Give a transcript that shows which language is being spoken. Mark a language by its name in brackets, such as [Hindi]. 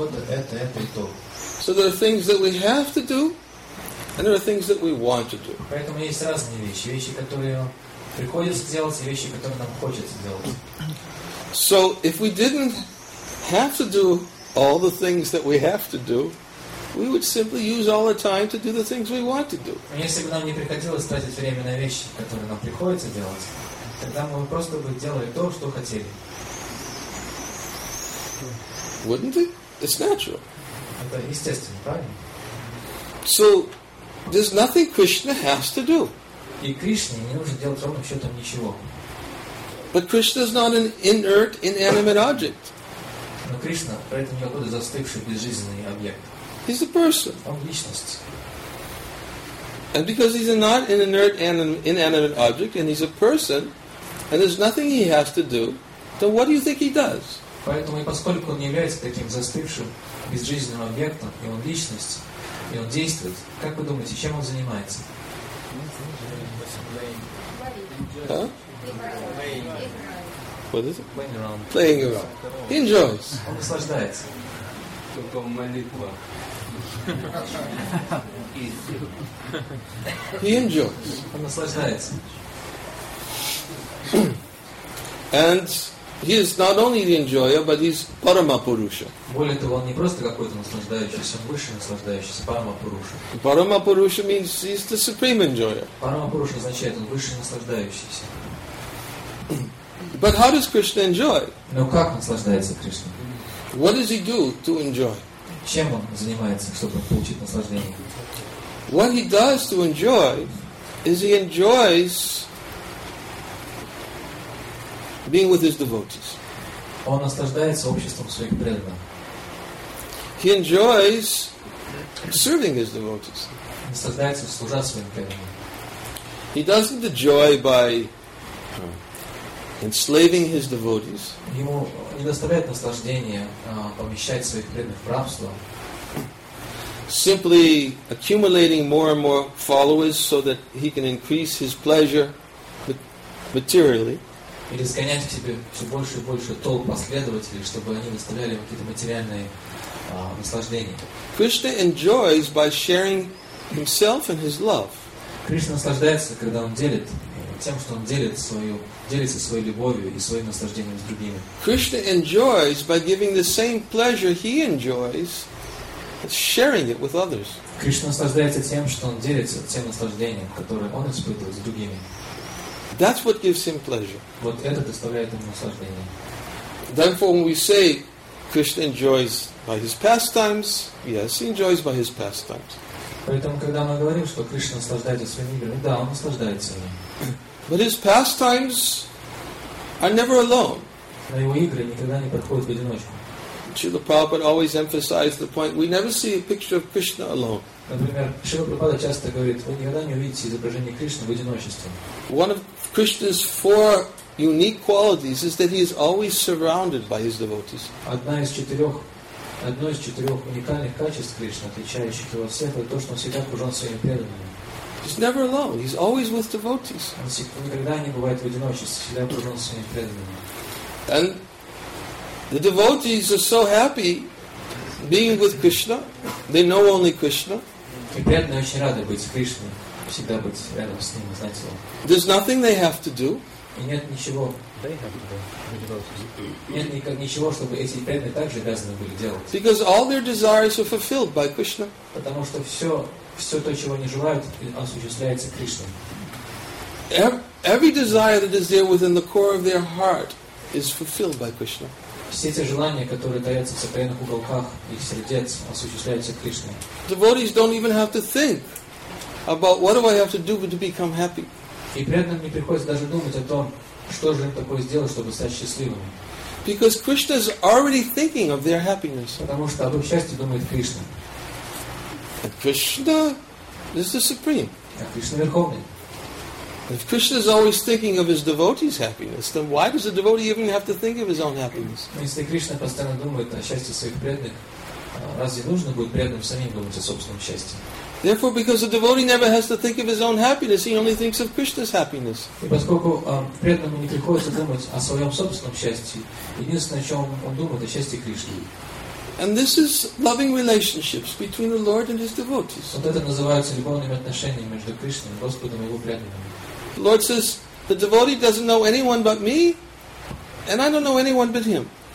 [English] So there are things that we have to do, and there are things that we want to do. [Russian] Приходится делать те вещи, которые нам хочется делать. [English] So if we didn't have to do all the things that we have to do, we would simply use all the time to do the things we want to do. [Russian] Если бы нам не приходилось тратить время на вещи, которые нам приходится делать, тогда мы просто бы делали то, что хотели. [English] Wouldn't it? It's natural. [Russian] Это естественно, правильно? [English] So there's nothing Krishna has to do. [Russian] И Кришне не нужно делать ровным счетом ничего. [English] But Krishna is not an inert, inanimate object. [Russian] Но Кришна при этом не какой-то застывший безжизненный объект. [English] He's a person. [Russian] Он личность. [English] And because he's not an inert, inanimate object, and he's a person, and there's nothing he has to do, then what do you think he does? [Russian] Поэтому и поскольку он не является таким застывшим безжизненным объектом, и он личность, и он действует, как вы думаете, чем он занимается? Huh? [English] What is it? Playing around. Playing around. He enjoys. [Russian] Он наслаждается. Только молитва. [English] He enjoys. [Russian] Он наслаждается. [English] And he is not only the enjoyer, but he's Paramapurusha. [Russian] Более того, он не просто какой-то наслаждающийся, он высший наслаждающийся, Paramapurusha. [English] Paramapurusha means he's the supreme enjoyer. [Russian] Paramapurusha означает, он высший наслаждающийся. [English] But how does Krishna enjoy? [Russian] Но как наслаждается Кришна? [English] What does he do to enjoy? [Russian] Чем он занимается, чтобы получить наслаждение? [English] What he does to enjoy is he enjoys being with his devotees. [Russian] Он наслаждается обществом своих преданных. [English] He enjoys serving his devotees. [Russian] Наслаждается служа своим преданным. [English] He doesn't enjoy by enslaving his devotees. [Russian] Ему не доставляет наслаждения помещать своих преданных в рабство. [English] Simply accumulating more and more followers so that he can increase his pleasure materially. [Russian] Или сгонять к себе все больше и больше толп последователей, чтобы они доставляли какие-то материальные наслаждения. [English] Krishna enjoys by sharing himself and his love. [Russian] Кришна наслаждается, когда он делится своей любовью и своим наслаждением с другими. [English] Krishna enjoys by giving the same pleasure he enjoys, sharing it with others. [Russian] Кришна наслаждается тем, что он делится тем наслаждением, которое он испытывает с другими. [English] That's what gives him pleasure. [Russian] Вот это доставляет ему наслаждение. [English] Therefore, when we say Krishna enjoys by his pastimes, yes, he enjoys by his pastimes. [Russian] Поэтому, когда мы говорим, что Кришна наслаждается своими играми, да, он наслаждается ими. [English] But his pastimes are never alone. [Russian] Но его игры никогда не проходят в одиночку. [English] Srila Prabhupada always emphasized the point, we never see a picture of Krishna alone. [Russian] Например, Шрила Прабхупада часто говорит, вы никогда не увидите изображение Кришны в одиночестве. [English] One of Krishna's four unique qualities is that he is always surrounded by his devotees. [Russian] Одно из четырех уникальных качеств Кришны, отличающих его от всех, это то, что он всегда окружен своими преданными. [English] He's never alone. He's always with devotees. [Russian] Он никогда не бывает в одиночестве, всегда окружен своими преданными. [English] And the devotees are so happy being with Krishna. They know only Krishna. [Russian] И преданные очень рады быть с Кришной, всегда быть рядом с ним, знать его. [English] There's nothing they have to do. [Russian] И нет ничего. [English] They have to do. [Russian] Нет ничего, чтобы эти преданные также обязаны были делать. [English] Because all their desires are fulfilled by Krishna. [Russian] Потому что все то, чего они желают, осуществляется Кришной. [English] Every desire that is there within the core of their heart is fulfilled by Krishna. [Russian] Все те желания, которые таятся в сокровенных уголках их сердец, осуществляются Кришной. [English] Devotees don't even have to think about what do I have to do to become happy. [Russian] И преданным не приходится даже думать о том, что же им такое сделать, чтобы стать счастливыми. [English] Because Krishna is already thinking of their happiness. [Russian] Потому что об их счастье думает Кришна. [English] And Krishna is the supreme. [Russian] А Кришна верховный. [English] If Krishna is always thinking of his devotee's happiness, then why does the devotee even have to think of his own happiness? [Russian] Если Кришна постоянно думает о счастье своих преданных, разве нужно будет преданным самим думать о собственном счастье? [English] Therefore, because the devotee never has to think of his own happiness, he only thinks of Krishna's happiness. [Russian] И поскольку преданному не приходится думать о своем собственном счастье, единственное, о чем он думает, о счастье Кришны. [English] And this is loving relationships between the Lord and his devotees. [Russian] Вот это называется любовными отношениями между Кришной, Господом и его преданными. [English] The Lord says, the devotee doesn't know anyone but me, and I don't know anyone but him.